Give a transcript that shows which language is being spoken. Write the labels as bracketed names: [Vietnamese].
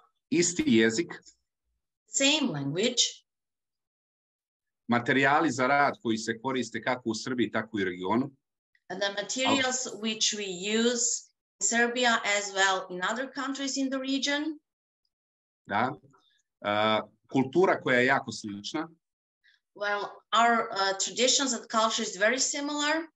[Serbian] Isti jezik. [English] Same language. [Serbian] Materijali za rad koji se koriste kako u Srbiji, tako i u regionu. [English] And the materials which we use in Serbia as well in other countries in the region. [Serbian] Da. Kultura koja je jako slična. [English] Well, our traditions and culture is very similar.